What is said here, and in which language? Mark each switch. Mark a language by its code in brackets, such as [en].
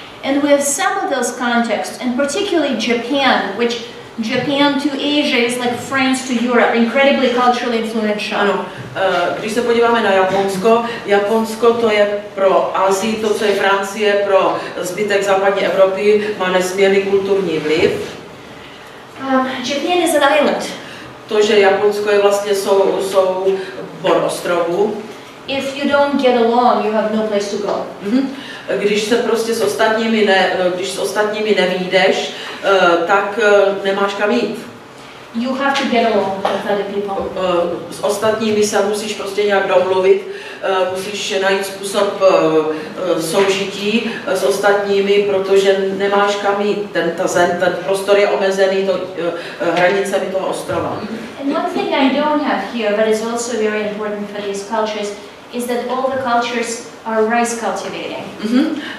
[en] And we have some of those contexts, and particularly Japan, which Japan to Asia is like France to Europe, incredibly culturally influential. [cs] Ano, když se podíváme na Japonsko, Japonsko to je pro Asii, to co je Francie, pro zbytek západní Evropy, má nesmírný kulturní vliv. [en] Japan is an island. [cs] To, že Japonsko je vlastně soubor ostrovů. [en] If you don't get along, you have no place to go. [cs] Když se prostě s ostatními nevídeš, tak nemáš kam jít. [en] you have to get along with other people. [cs] S ostatními se musíš prostě nějak domluvit, musíš najít způsob soužití s ostatními, protože nemáš kam jít, ten prostor je omezený hranicemi toho ostrova. [en] And one thing I don't have here, but it's also very important for these cultures, is that all the cultures are rice cultivating.